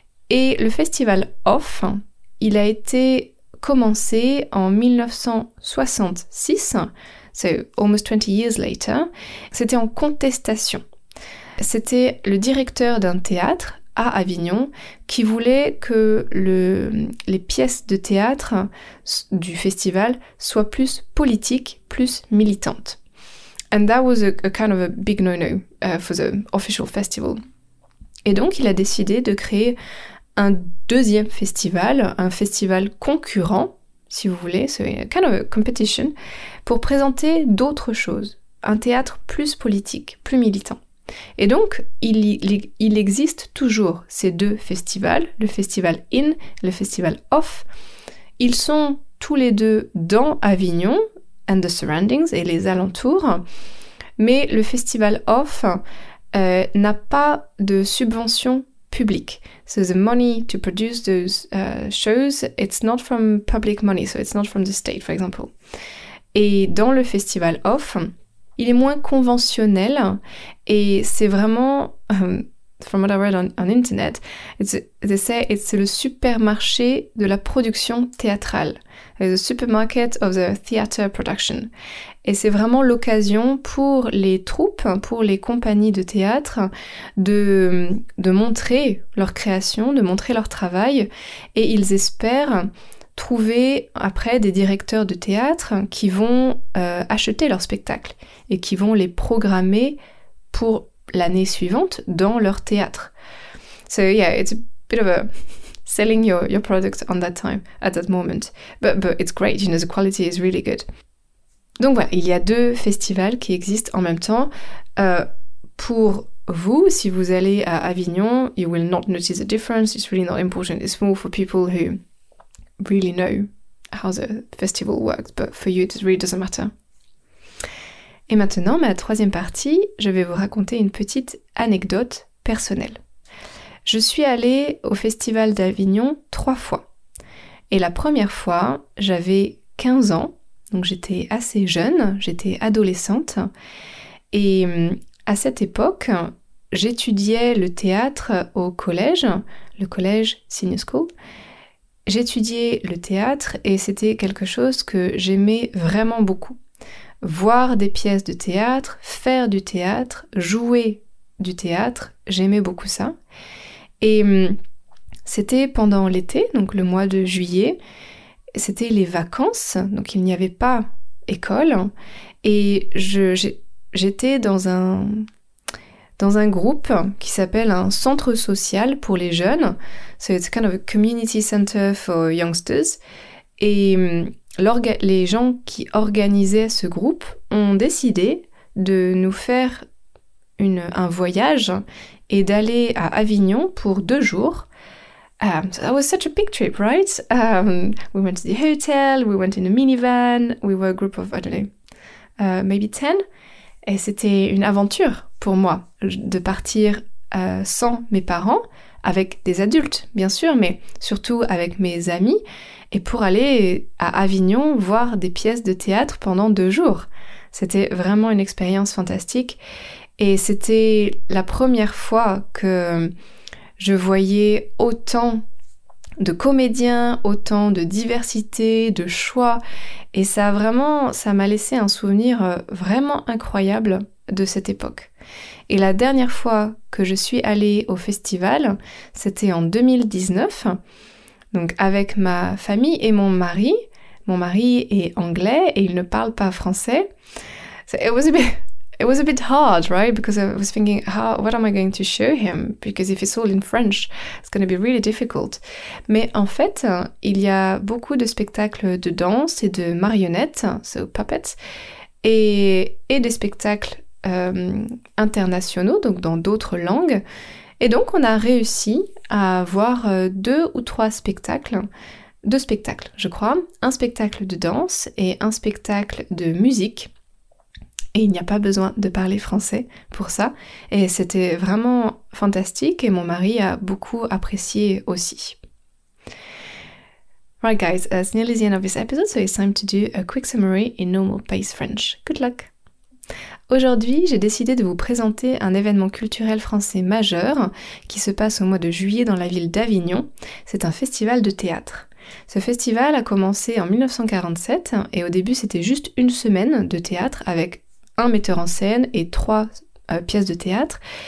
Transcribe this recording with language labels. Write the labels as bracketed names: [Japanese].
[French] Et le festival OFF, il a été commencé en 1966, c'est [English] almost 20 years later, [French] c'était en contestation. C'était le directeur d'un théâtre, à Avignon, qui voulait que les pièces de théâtre du festival soient plus politiques, plus militantes. [English] And that was a kind of a big no-no for the official festival. [French] Et donc, il a décidé de créer un deuxième festival, un festival concurrent, si vous voulez, [English] so a kind of a competition, [French] pour présenter d'autres choses, un théâtre plus politique, plus militant. Et donc, il existe toujours ces deux festivals, le festival IN et le festival OFF. Ils sont tous les deux dans Avignon, [English] and the surroundings, [French] et les alentours. Mais le festival OFF n'a pas de subvention publique. [English] So the money to produce those shows, it's not from public money, so it's not from the state, for example. [French] Et dans le festival OFF, il est moins conventionnel et c'est vraiment, [English] from what I read on internet, it's [French] le supermarché de la production théâtrale. [English] It's the supermarket of the theater production. [French] Et c'est vraiment l'occasion pour les troupes, pour les compagnies de théâtre, de montrer leur création, de montrer leur travail. Et ils espèrent trouver après des directeurs de théâtre qui vont acheter leurs spectacles et qui vont les programmer pour l'année suivante dans leur théâtre. [English] So yeah, it's a bit of a selling your product on that time, at that moment. But it's great, you know, the quality is really good. [French] Donc voilà, il y a deux festivals qui existent en même temps pour Vous, si vous allez à Avignon, [English] you will not notice a difference. It's really not important. It's more for people who really know how the festival works. But for you, it really doesn't matter. [French] Et maintenant, ma troisième partie, je vais vous raconter une petite anecdote personnelle. Je suis allée au festival d'Avignon 3 fois. Et la première fois, j'avais 15 ans. Donc j'étais assez jeune, j'étais adolescente. Et à cette époque, j'étudiais le théâtre au collège, le collège Senior School. J'étudiais le théâtre et c'était quelque chose que j'aimais vraiment beaucoup. Voir des pièces de théâtre, faire du théâtre, jouer du théâtre, j'aimais beaucoup ça. Et c'était pendant l'été, donc le mois de juillet, c'était les vacances, donc il n'y avait pas école. Et j'étais dans un groupe qui s'appelle un centre social pour les jeunes. [English] So it's kind of a community center for youngsters. [French] Et les gens qui organisaient ce groupe ont décidé de nous faire un voyage et d'aller à Avignon pour 2 jours. [English] So that was such a big trip, right? We went to the hotel, we went in a minivan, we were a group of, I don't know, maybe 10. [French] Et c'était une aventure pour moi de partir sans mes parents, avec des adultes, bien sûr, mais surtout avec mes amis, et pour aller à Avignon voir des pièces de théâtre pendant 2 jours. C'était vraiment une expérience fantastique. Et c'était la première fois que je voyais autant de comédiens, autant de diversité, de choix. Et ça m'a laissé un souvenir vraiment incroyable de cette époque. Et la dernière fois que je suis allée au festival, c'était en 2019, donc avec ma famille et mon mari. Mon mari est anglais et il ne parle pas français. [English] So it was a bit hard, right? Because I was thinking, what am I going to show him? Because if it's all in French, it's going to be really difficult. [French] Mais en fait, il y a beaucoup de spectacles de danse et de marionnettes, [English] so puppets, [French] et des spectacles internationaux, donc dans d'autres langues. Et donc, on a réussi à voir 2 ou 3 spectacles. 2 spectacles, je crois. Un spectacle de danse et un spectacle de musique. Et il n'y a pas besoin de parler français pour ça. Et c'était vraiment fantastique et mon mari a beaucoup apprécié aussi. [English] Right guys, it's nearly the end of this episode, so it's time to do a quick summary in normal pace French. Good luck! [French] Aujourd'hui, j'ai décidé de vous présenter un événement culturel français majeur qui se passe au mois de juillet dans la ville d'Avignon. C'est un festival de théâtre. Ce festival a commencé en 1947 et au début c'était juste une semaine de théâtre avec un metteur en scène et 3 pièces de théâtre.